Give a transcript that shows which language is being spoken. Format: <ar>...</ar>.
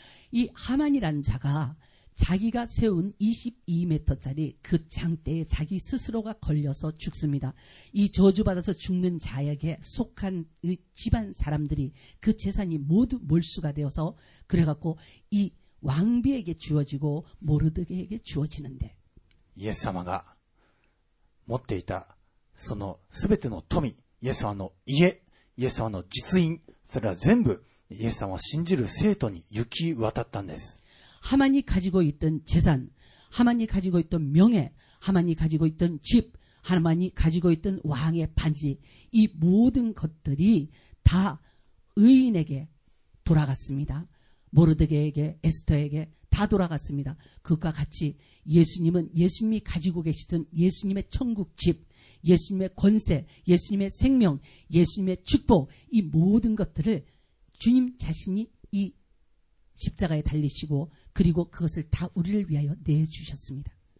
<ko>이 하만이란 자가 자기가 세운 22m짜리 그 장대에 자기 스스로가 걸려서 죽습니다. 이 저주받아서 죽는 자에게 속한 이 집안 사람들이 그 재산이 모두 몰수가 되어서 그래갖고 이 왕비에게 주어지고 모르데게에게 주어지는데</ko> <ja>예수様가 持っていた その全ての富 예수様の家 예수様の 実印, それは全部 예수様を 信じる 生徒に 行き渡ったんです.</ja> <ko>하만이 가지고 있던 재산, 하만이 가지고 있던 명예, 하만이 가지고 있던 집, 하만이 가지고 있던 왕의 반지, 이 모든 것들이 다 의인에게 돌아갔습니다. 모르드게에게, 에스터에게 다 돌아갔습니다. 그것과 같이 예수님은 예수님이 가지고 계시던 예수님의 천국 집, 예수님의 권세, 예수님의 생명, 예수님의 축복, 이 모든 것들을 주님 자신이 이 십자가에 달리시고 그리고 그것을 다 우리를 위하여 내주셨습니다.</ko>